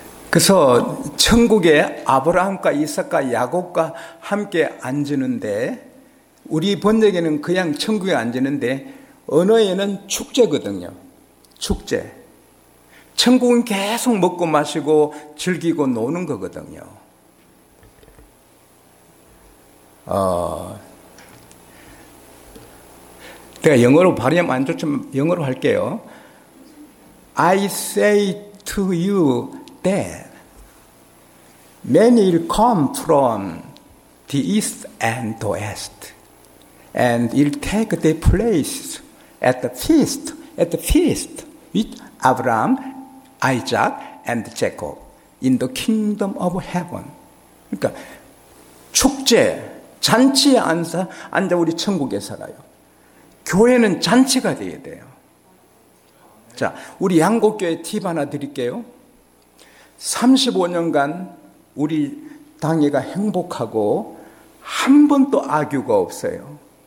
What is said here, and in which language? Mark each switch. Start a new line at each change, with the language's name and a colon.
Korean: 그래서 천국에 아브라함과 이삭과 야곱과 함께 앉으는데 우리 번역에는 그냥 천국에 앉으는데 언어에는 축제거든요. 축제. 천국은 계속 먹고 마시고 즐기고 노는 거거든요. 제가 영어로 발음 안 좋지만 영어로 할게요.
English: I say to you that many will come from the east and the west and will take their place at the feast with Abraham, Isaac, and Jacob in the kingdom of heaven.
Korean: 그러니까 축제, 잔치에 앉아 우리 천국에 살아요. 교회는 잔치가 되어야 돼요. 자, 우리 양곡교회 팁 하나 드릴게요. 35년간 우리 당회가 행복하고 한 번도 악유가 없어요.